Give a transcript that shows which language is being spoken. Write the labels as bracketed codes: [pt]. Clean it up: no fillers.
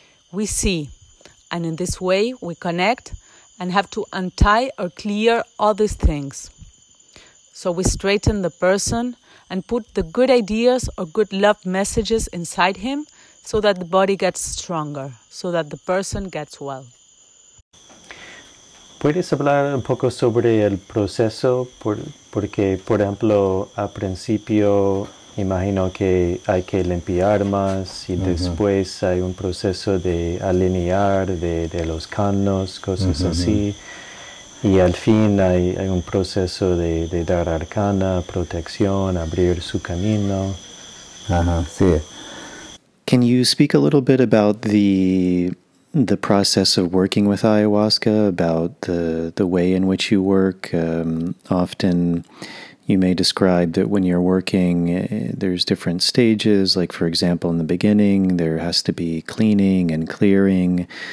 [en] We see, and in this way we connect and have to untie or clear all these things. So we straighten the person and put the good ideas or good love messages inside him so that the body gets stronger, so that the person gets well. [es] ¿Puedes hablar un poco sobre el proceso? Porque, por ejemplo, al principio imagino que hay que limpiar más y después hay un proceso de alinear de los canos, cosas así. Y al fin hay un proceso de dar arcana, protección, abrir su camino. Sí. [en] Can you speak a little bit about the process of working with ayahuasca, about the way in which you work? Often you may describe that when you're working, there's different stages. Like, for example, in the beginning, there has to be cleaning and clearing.